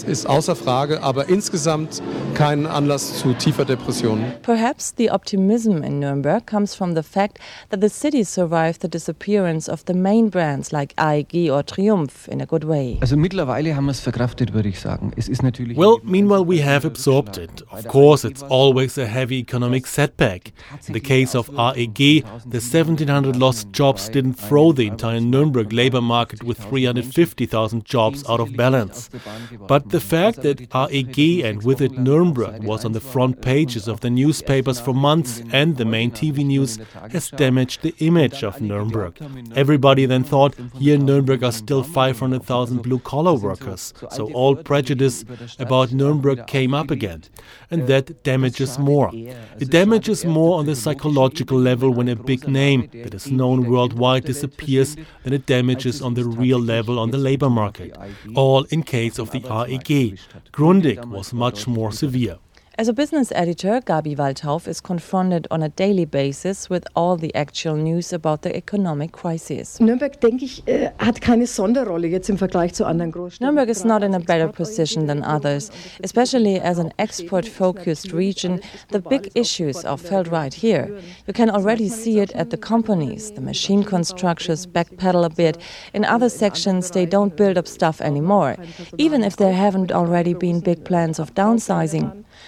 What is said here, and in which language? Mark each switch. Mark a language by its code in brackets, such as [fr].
[de] Außer Frage, aber insgesamt keinen Anlass zu tiefer Depression. [en] Perhaps the optimism in Nuremberg comes from the fact that the city survived the disappearance of the main brands like AEG or Triumph in a good way. [de] Also mittlerweile haben wir es verkraftet, würde ich sagen. Es ist natürlich. [en] Well, meanwhile we have absorbed it. Of course, it's always a heavy economic setback. In the case of AEG, the 1700 lost jobs didn't throw the entire Nuremberg labor market with 350,000 jobs out of balance. But the fact that AEG and with it Nuremberg was on the front pages of the newspapers for months and the main TV news has damaged the image of Nuremberg. Everybody then thought, here in Nuremberg are still 500,000 blue-collar workers, so all prejudice about Nuremberg came up again. And that damages more. It damages more on the psychological level when a big name that is known worldwide disappears than it damages on the real level on the labor market, all in case of the AEG. Grundig was much more severe. As a business editor, Gabi Waldhauf is confronted on a daily basis with all the actual news about the economic crisis. [de] Nürnberg, denke ich, hat keine Sonderrolle jetzt im Vergleich zu anderen Großstädten. [en] Nürnberg is not in a better position than others, especially as an export-focused region. The big issues are felt right here. You can already see it at the companies. The machine constructors backpedal a bit. In other sections, they don't build up stuff anymore, even if there haven't already been big plans of downsizing.